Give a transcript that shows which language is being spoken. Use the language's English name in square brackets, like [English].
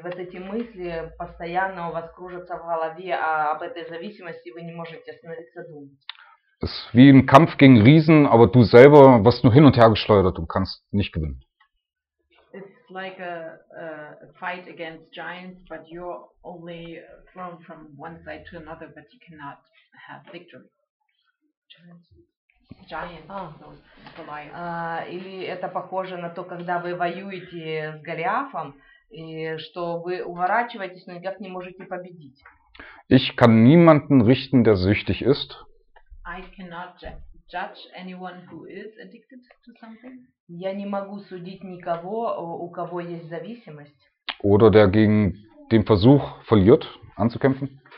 [Russian] вот эти мысли постоянно у вас кружатся в голове, а об этой зависимости вы не можете остановиться думать. [German] Es ist wie ein Kampf gegen Riesen, aber du selber wirst nur hin und her geschleudert und kannst nicht gewinnen. [English] It's like a fight against giants, but you're only thrown from one side to another, but you cannot have victory. [Russian] Или это похоже на то, когда вы воюете с Голиафом, и что вы уворачиваетесь, но никак не можете победить. [German] Ich kann niemanden richten, der süchtig ist. [English] I cannot judge anyone who is addicted to something. [Russian] Я не могу судить никого, у кого есть зависимость. [German] Oder der gegen den Versuch verliert, anzukämpfen.